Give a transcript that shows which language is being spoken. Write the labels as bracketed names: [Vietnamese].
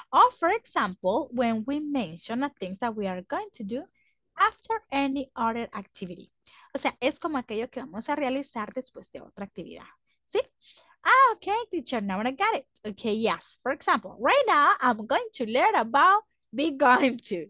[English] Or for example, when we mention the things that we are going to do after any other activity. [Spanish] O sea, es como aquello que vamos a realizar después de otra actividad. [English] ¿Sí? Ah, okay, teacher, now I got it. Okay, yes. For example, right now I'm going to learn about be going to.